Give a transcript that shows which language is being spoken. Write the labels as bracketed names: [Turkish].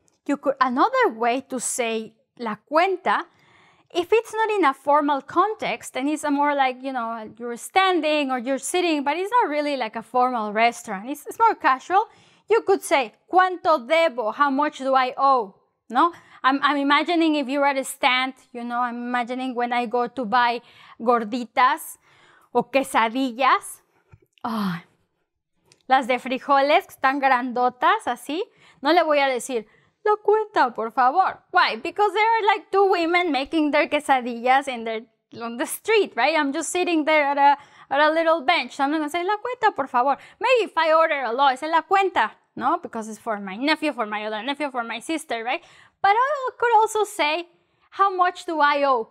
[English] You could, another way to say la cuenta, if it's not in a formal context, then it's a more like, you know, you're standing or you're sitting, but it's not really like a formal restaurant, it's more casual. You could say, [Spanish] ¿cuánto debo? [English] How much do I owe? No? I'm imagining if you're at a stand, you know, I'm imagining when I go to buy gorditas o quesadillas. [Spanish] Oh, las de frijoles, están grandotas, así. No le voy a decir, la cuenta, por favor. [English] Why? Because there are like two women making their quesadillas in their, on the street, right? I'm just sitting there at a little bench. So I'm going to say, [Spanish] la cuenta, por favor. [English] Maybe if I order a lot, I say, [Spanish] la cuenta, no? [English] Because it's for my nephew, for my other nephew, for my sister, right? But I could also say, how much do I owe?